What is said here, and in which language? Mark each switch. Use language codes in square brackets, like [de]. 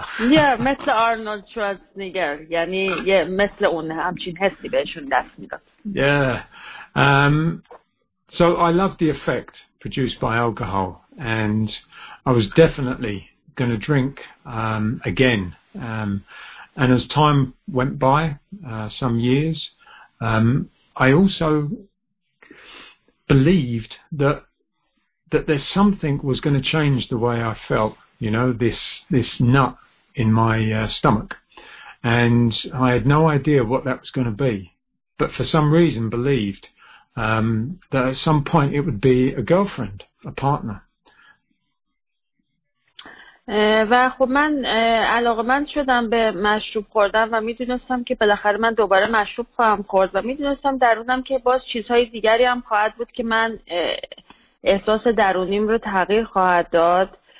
[en] Yeah, [fa] مثل Arnold Schwarzenegger. یعنی یه مثل اون همچین حسی بهشون دست میداد. [en] Yeah. So I loved the effect produced by alcohol, and I was definitely going to drink again. And as time went by, some years, I also believed that there's something was going to change the way I felt. You know, this nut in my stomach, and I had no idea what that was going to be, but for some reason believed. That at some point it would be a girlfriend, a partner. [fa] و خب من علاقمند شدم به مشروب خوردن و میدونستم که بالاخره من دوباره مشروب خواهم خورد و میدونستم درونم که باز چیزهای دیگری هم خواهد بود که من احساس درونیم رو تغییر خواهد داد.